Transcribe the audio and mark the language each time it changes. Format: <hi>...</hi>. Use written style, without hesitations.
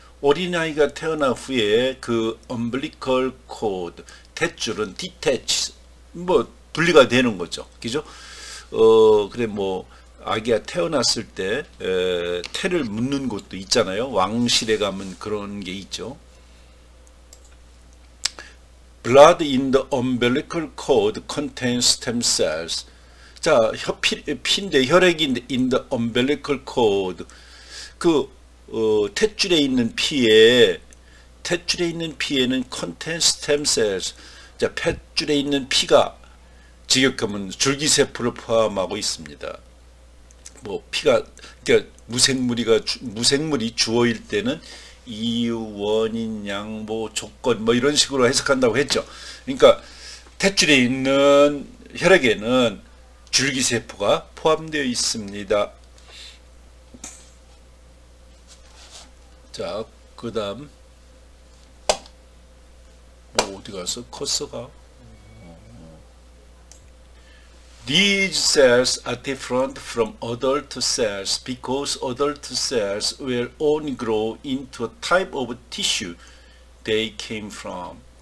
<ko>어린아이가 태어난 후에 그 umbilical cord 탯줄은 detach 뭐 분리가 되는 거죠, 그죠? 그래 뭐 아기가 태어났을 때 태를 묻는 곳도 있잖아요. 왕실에 가면 그런 게 있죠.</ko> <en>Blood in the umbilical cord contains stem cells.</en> <ko>자, 피인데 혈액인데</ko> <en>in the umbilical cord</en> <ko>그 탯줄에 있는 피에는</ko> <en>contains stem cells.</en> <ko>자, 폐줄에 있는 피가 직역하면 줄기세포를 포함하고 있습니다. 뭐 피가 그러니까 무생물이 주어일 때는 이유, 원인, 양모, 조건 뭐 이런 식으로 해석한다고 했죠. 그러니까 탯줄에 있는 혈액에는 줄기세포가 포함되어 있습니다. 자, 그다음 뭐 어디 가서 커서가</ko> <en>These cells are different from adult cells because adult cells will only grow into a type of tissue they came from.</en>